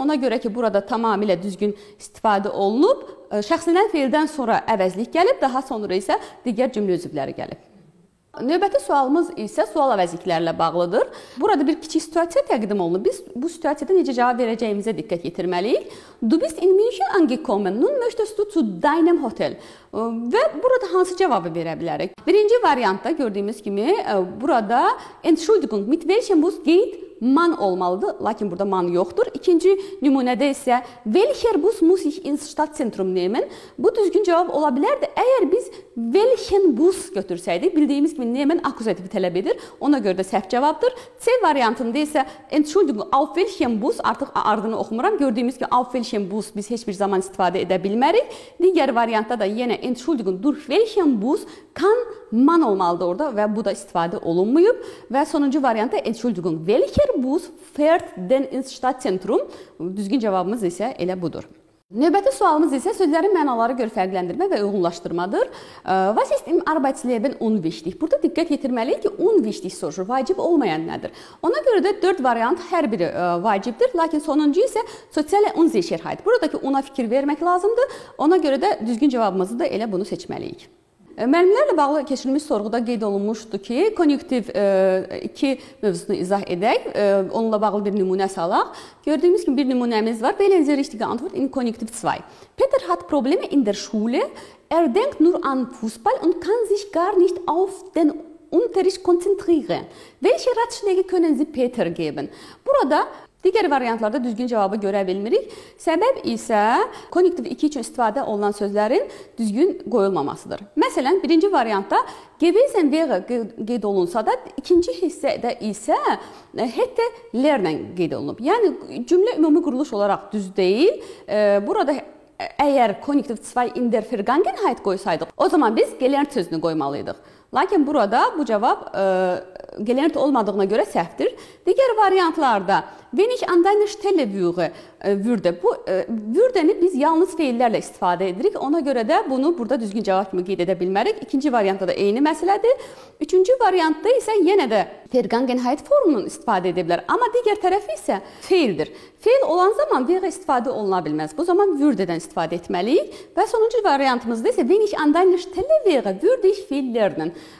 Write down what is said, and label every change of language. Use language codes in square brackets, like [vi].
[az] Ona görə ki, burada tamamilə düzgün istifadə olunub. Şəxslənən fəildən sonra əvəzlik gəlib, daha sonra isə digər cümlə üzvləri gəlib. Növbəti sualımız isə sual əvəzliklərlə bağlıdır. Burada bir kiçik situasiya təqdim olunub. Biz bu situasiyada necə cavab verəcəyimizə diqqət yetirməliyik. [de] Du bist in München angekommen. Nun möchtest du zu deinem Hotel. [az] Və burada hansı cavabı verə bilərik? Birinci variantda gördüyümüz kimi burada [de] Entschuldigung, mit welchem Bus geht man [az] olmalıdır, lakin burada man yoxdur. İkinci nümunədə isə [de] welcher bus muss ich ins Stadtzentrum nehmen? [az] Bu düzgün cavab ola bilərdi. Əgər biz welchen bus götürsəydik, bildiyimiz kimi nehmen akkuzativi tələb edir. Ona görə də səhv cavabdır. C variantında isə [de] Entschuldigung, auf welchem bus? [az] Artıq ardını oxumuram. Gördüyümüz kimi auf welchem bus biz heç bir zaman istifadə edə bilmərik. Digər variantda da yenə [de] Entschuldigung, durch welchen bus kann man [az] olmalıdır orada və bu da istifadə olunmayıb. Və sonuncu variantda [de] Entschuldigung, welchen Welcher Bus fährt denn ins Stadtzentrum? [az] Düzgün cavabımız isə elə budur. Növbəti sualımız isə sözlərin mənaları görə fərqləndirmə və uyğunlaşdırmadır. [de] Was ist im Arbeitsleben unwichtig? [az] Burada diqqət yetirməliyik ki, unwichtig soruşur, vacib olmayan nədir? Ona görə də 4 variant hər biri vacibdir, lakin sonuncu isə soziale Unsicherheit. Buradakı una fikir vermək lazımdır, ona görə də düzgün cavabımızı da elə bunu seçməliyik. Müəllimlərlə bağlı keçirilmiş sorğuda qeyd olunmuşdu ki, konjunktiv 2 mövzusunu izah edək, onunla bağlı bir nümunə salaq. Gördüyümüz kimi bir nümunəmiz var. [de] Wählen Sie richtige Antwort in Konjunktiv 2. Peter hat Probleme in der Schule. Er denkt nur an Fußball und kann sich gar nicht auf den Unterricht konzentrieren. Welche Ratschläge können Sie Peter geben? [az] Burada digər variantlarda düzgün cavabı görə bilmirik. Səbəb isə konjunktiv 2 üçün istifadə olunan sözlərin düzgün qoyulmamasıdır. Məsələn, birinci variantda gewesen wäre qeyd olunsa da, ikinci hissədə isə hätte lernen qeyd olunub. Yəni, cümlə ümumi quruluş olaraq düz deyil. Burada əgər konjunktiv 2 in der Vergangenheit qoysaydıq, o zaman biz gelernt sözünü qoymalıydıq. Lakin burada bu cavab gelernt olmadığına görə səhvdir. Digər variantlarda, [de] wenn ich an deiner Stelle wäre, würde. [az] Bu würdeni biz yalnız feillərlə istifadə edirik. Ona görə də bunu burada düzgün cavab kimi qeyd edə bilmərik. İkinci variantda da eyni məsələdir. Üçüncü variantda isə yenə də Vergangenheit formunun istifadə edə bilər. Amma digər tərəfi isə feildir. Feil olan zaman verə istifadə oluna bilməz. Bu zaman würdedən istifadə etməliyik. Və sonuncu variantımızda isə [de] wenn ich an deiner Stelle wäre, würde ich viel lernen.